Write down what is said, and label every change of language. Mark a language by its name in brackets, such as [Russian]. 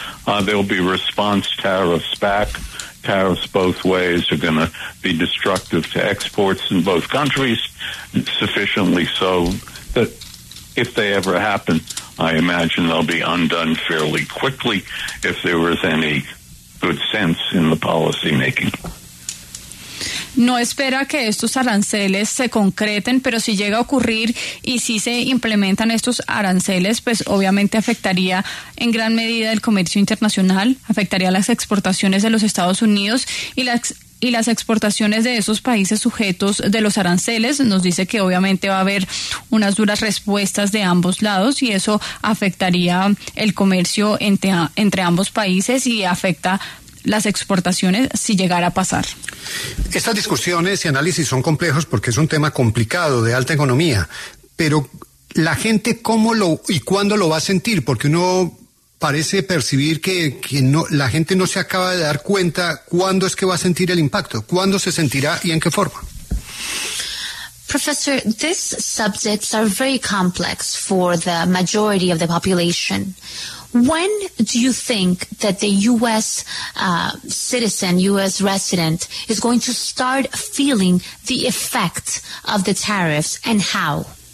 [English] There'll be response tariffs back. Tariffs both ways are going to be destructive to exports in both countries, sufficiently so that if they ever happen, I imagine they'll be undone fairly quickly if there was any good sense in the policy making. [Spanish] No espera que estos aranceles se concreten, pero si llega a ocurrir y si se implementan estos aranceles, pues obviamente afectaría en gran medida el comercio internacional, afectaría las exportaciones de los Estados Unidos y las exportaciones de esos países sujetos de los aranceles. Nos dice que obviamente va a haber unas duras respuestas de ambos lados y eso afectaría el comercio entre ambos países y afecta las exportaciones si llegara a pasar. Estas discusiones y análisis son complejos porque es un tema complicado de alta economía, pero la gente cómo lo y cuándo lo va a sentir, porque uno parece percibir que no, la gente no se acaba de dar cuenta cuándo es que va a sentir el impacto, cuándo se sentirá y en qué forma. [English] Professor, these subjects are very complex for the majority of the population. When do you think that the U.S. Citizen, U.S. resident, is going to start feeling the effect of the tariffs and how?